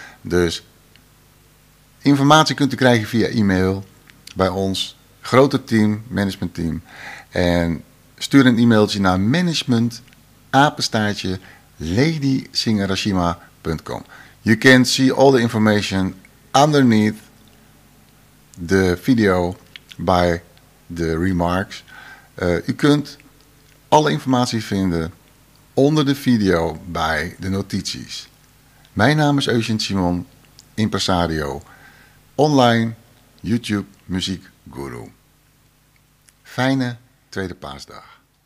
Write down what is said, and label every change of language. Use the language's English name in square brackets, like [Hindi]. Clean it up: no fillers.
[Dutch] Dus informatie kunt u krijgen via e-mail bij ons grote team, management team. En stuur een e-mailtje naar management@ladysingerrashima.com. [English] You can see all the information underneath the video by the remarks. [Dutch] U kunt alle informatie vinden onder de video bij de notities. Mijn naam is Eugene Simon, impresario. Online YouTube muziek guru. Fijne tweede paasdag.